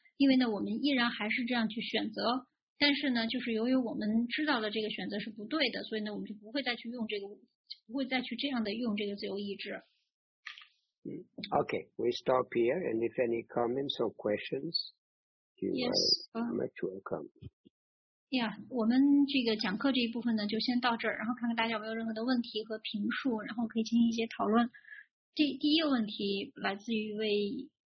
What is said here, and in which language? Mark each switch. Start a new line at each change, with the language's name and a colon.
Chinese: 因为呢，我们依然还是这样去选择，但是呢，就是由于我们知道的这个选择是不对的，所以呢，我们就不会再去用这个，不会再去这样的用这个自由意志。
English: Okay, we stop here, and if any comments or questions, you are much welcome.
Chinese: Yeah, 我们这个讲课这一部分呢，就先到这儿，然后看看大家有没有任何的问题和评述，然后可以进行一些讨论。第一个问题来自于一位。